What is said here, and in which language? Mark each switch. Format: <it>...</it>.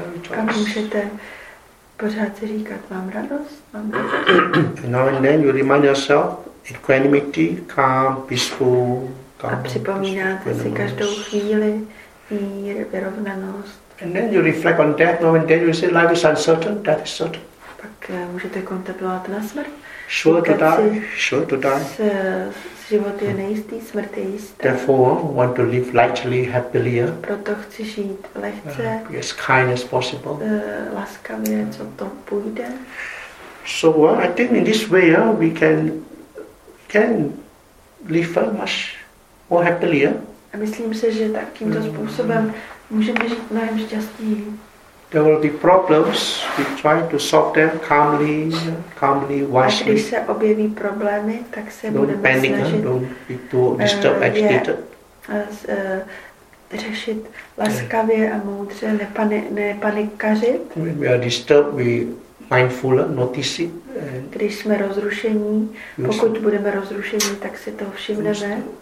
<cs>Kam můžete pořád si říkat, mám radost.</cs> <en>And now and then you remind yourself, equanimity, calm, peaceful, calm.</en> <cs>A připomínáte si každou chvíli mír, vyrovnanost.</cs> <en>And then you reflect on death, now and then you say, life is uncertain, death is certain.</en> <cs>Pak můžete kontemplovat na smrt.</cs> <en>Sure to die.</en> <cs>Život je nejistý, smrt je jistá.</cs> <en>Therefore, want to live lightly, happily.</en> <cs>Proto chci žít lehce.</cs> <en>As kind as possible.</en> <cs>Laskavě, co to půjde.</cs> <en>So, I think in this way, we can live much more happily.</en> <cs>A myslím si, že takýmto způsobem můžeme žít mnohem šťastněji.</cs> <en>There will be problems. We try to solve them calmly, wisely.</en> <cs>A když se objeví problémy, tak se budeme snažit.</cs> <en>Don't be too disturbed, agitated.</en> <cs>Řešit laskavě a moudře, nepanikařit.</cs> <en>When we are disturbed, we mindful, notice it.</en> <cs>Když jsme rozrušení, pokud budeme rozrušení, tak si to všimneme.</cs>